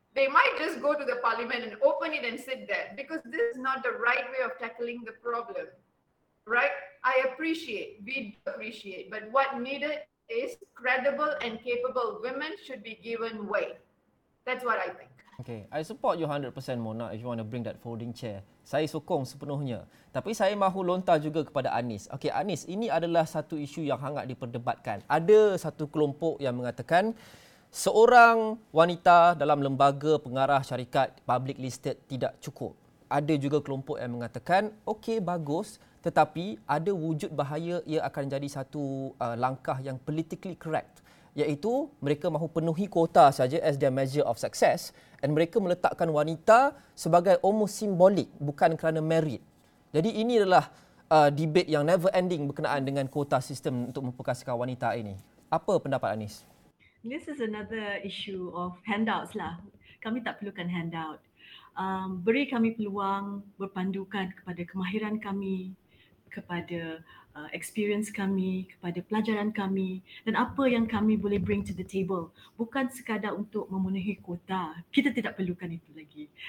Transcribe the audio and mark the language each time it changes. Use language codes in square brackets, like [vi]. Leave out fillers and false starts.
[en] They might just go to the parliament and open it and sit there, because this is not the right way of tackling the problem, right? I appreciate, we appreciate, but what needed is credible and capable women should be given way. That's what I think. Okay, I support you 100%, Mona, if you want to bring that folding chair. [ms] Saya sokong sepenuhnya. Tapi saya mahu lontar juga kepada Anis. Okay, Anis, ini adalah satu isu yang hangat diperdebatkan. Ada satu kelompok yang mengatakan seorang wanita dalam lembaga pengarah syarikat public listed tidak cukup. Ada juga kelompok yang mengatakan, okey, bagus, tetapi ada wujud bahaya ia akan jadi satu langkah yang [en] politically correct. [ms] Iaitu mereka mahu penuhi kuota saja [en] as their measure of success, [ms] and mereka meletakkan wanita sebagai almost simbolik, bukan kerana merit. Jadi ini adalah debate yang [en] never ending [ms] berkenaan dengan kuota sistem untuk memperkasakan wanita ini. Apa pendapat Anis? [en] This is another issue of handouts lah. [ms] Kami tak perlukan handout. Beri kami peluang berpandukan kepada kemahiran kami, kepada experience kami, kepada pelajaran kami dan apa yang kami boleh [en] bring to the table. [ms] Bukan sekadar untuk memenuhi kuota. Kita tidak perlukan itu lagi.